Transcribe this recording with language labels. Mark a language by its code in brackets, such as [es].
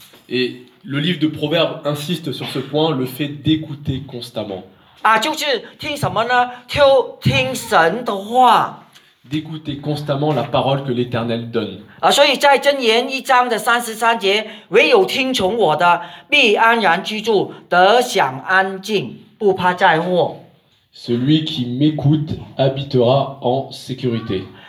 [fr] Et le livre de Proverbes insiste sur ce point, le fait d'écouter constamment. [zh] 就是听什么呢？听神的话。 [fr] D'écouter constamment la parole que l'Éternel donne. [zh] 所以在箴言一章的三十三节，唯有听从我的，必安然居住，得享安静，不怕灾祸。 [fr] Celui qui m'écoute habitera en sécurité.